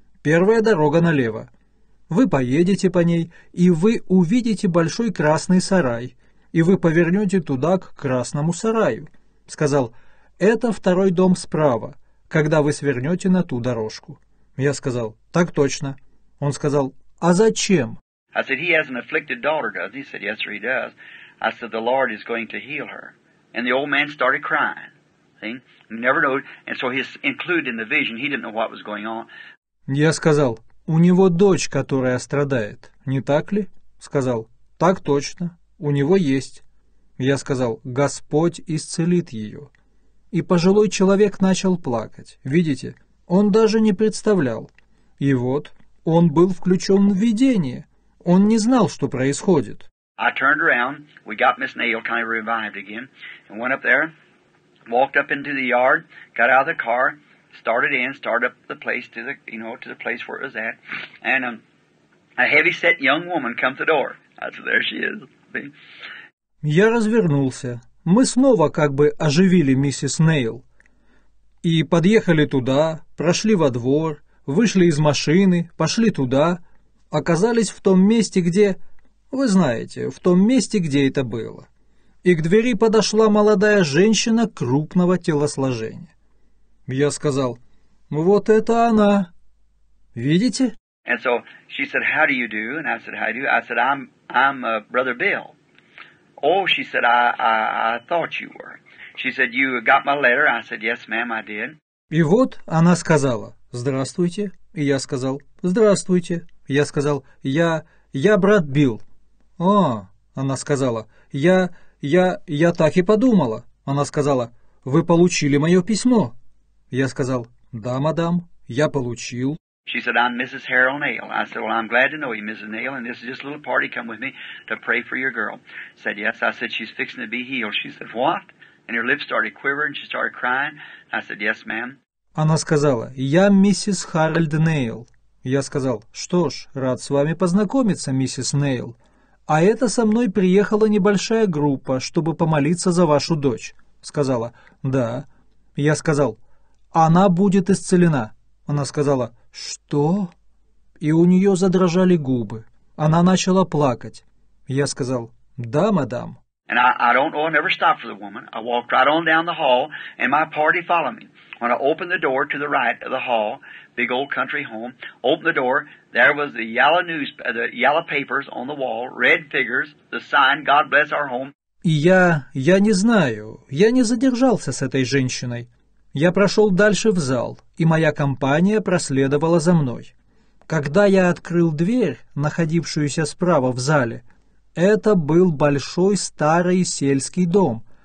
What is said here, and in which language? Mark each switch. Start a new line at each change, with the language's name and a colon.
Russian: Первая дорога налево. Вы поедете по ней, и вы увидите большой красный сарай, и вы повернете туда, к красному сараю». Сказал, «Это второй дом справа, когда вы свернете на ту дорожку». Я сказал, «Так точно». Он сказал, «А зачем?»
English: I said, he has an afflicted daughter, doesn't he? He said, yes, sir, he does. I said, the Lord is going to heal her. And the old man started crying. See? He never knew. And so he's included in the vision. He didn't know what was going on.
Russian: Я сказал, «У него дочь, которая страдает, не так ли?» Сказал, «Так точно, у него есть». Я сказал, «Господь исцелит ее». И пожилой человек начал плакать. Видите, он даже не представлял. И вот, он был включен в видение. Он не знал, что происходит.
English: I turned around, we got Miss Nail kind of revived again, and went up there, walked up into the yard, got out of the car, started in, started up the place to the, you know, to the place where it was at, and a heavy-set young woman come to the door. I said, there she is.
Russian: Я развернулся. Мы снова как бы оживили миссис Нейл. И подъехали туда, прошли во двор, вышли из машины, пошли туда, оказались в том месте, где... Вы знаете, в том месте, где это было. И к двери подошла молодая женщина крупного телосложения. Я сказал, вот это она. Видите?
English: And so she said, how do you do? And I said, how do you do? I said, I'm brother Bill. Oh, she said, I thought you were. She said, you got my letter. I said, yes, ma'am, I did.
Russian: И вот она сказала: «Здравствуйте». И я сказал: «Здравствуйте». Я сказал: «Я брат Билл». «О», она сказала, «я так и подумала». Она сказала: «Вы получили мое письмо?» Я сказал: «Да, мадам, я получил».
English: She said, I'm Mrs. Harold Nail. I said, well, I'm glad to know you, Mrs. Nail, and this is just a little party. Come with me to pray for your girl. Said, yes. I said, she's fixing to be healed. She said, what? And her lips started quivering. She started crying. I said, yes, ma'am.
Russian: Она сказала, я миссис Харальд Нейл. Я сказал, что ж, рад с вами познакомиться, миссис Нейл. А это со мной приехала небольшая группа, чтобы помолиться за вашу дочь. Сказала, да. Я сказал, она будет исцелена. Она сказала, что? И у нее задрожали губы. Она начала плакать. Я сказал, да, мадам.
English: And I don't know, I never stopped for the woman. I walked right on down the hall, and my party followed me. When I opened the door to the right of the hall, big old country home, opened the door, there was the yellow papers on the wall, red figures, the sign, God bless our home.
Russian: И я не знаю, я не задержался с этой женщиной. Я прошел дальше в зал, и моя компания проследовала за мной. Когда я открыл дверь, находившуюся справа в зале, это был большой старый сельский дом.